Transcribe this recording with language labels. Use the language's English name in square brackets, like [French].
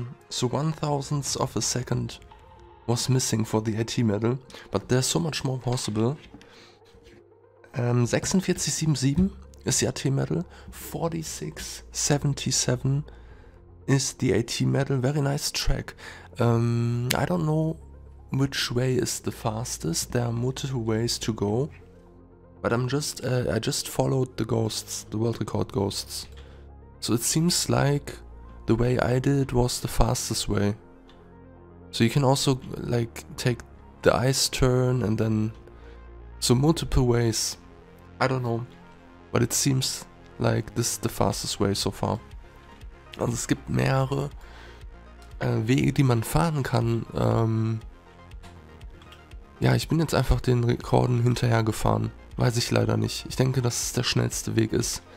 [English] So 1/1000th of a second was missing for the AT medal, but there's so much more possible. 46.77 [German] ist die [English] AT medal, 46.77 ist die AT medal, very nice track. I don't know which way is the fastest, there are multiple ways to go. But I just followed the ghosts, the world record ghosts. So it seems like the way I did was the fastest way. So you can also like take the ice turn and then, so multiple ways. I don't know, but it seems like this is the fastest way so far. [German] Also es gibt mehrere Wege, die man fahren kann. Ja, ich bin jetzt einfach den Rekorden hinterher gefahren. Weiß ich leider nicht. Ich denke, dass es der schnellste Weg ist.